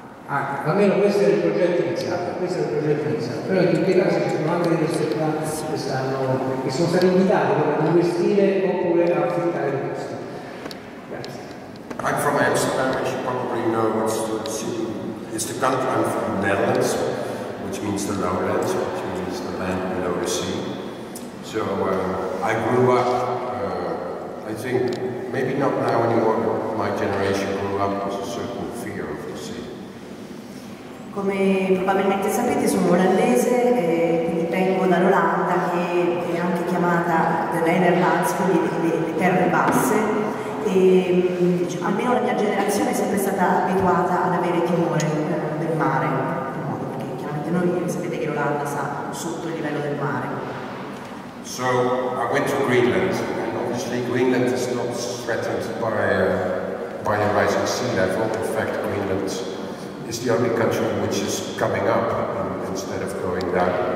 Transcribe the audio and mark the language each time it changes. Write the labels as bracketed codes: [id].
[it] Anche, almeno questo è il progetto iniziato, però in tutti i casi ci sono anche delle società che sono state invitate a investire oppure a affrontare il posto. Grazie. [en] I'm from Amsterdam, as you probably know, it's the country I'm from, Netherlands, which means the lowlands, which means the land below the sea. So I grew up, I think, maybe not now anymore, but my generation grew up with a certain fear of the sea. [it] Come probabilmente sapete, sono olandese e quindi vengo dall'Olanda, che è anche chiamata The Netherlands, quindi le terre basse. E almeno la mia generazione è sempre stata abituata ad avere timore del mare, perché chiaramente noi sapete che l'Olanda sta sotto il livello del mare. [en] So I went to Greenland, and obviously Greenland is not threatened by a rising sea level. In fact, Greenland is the only country which is coming up instead of going down.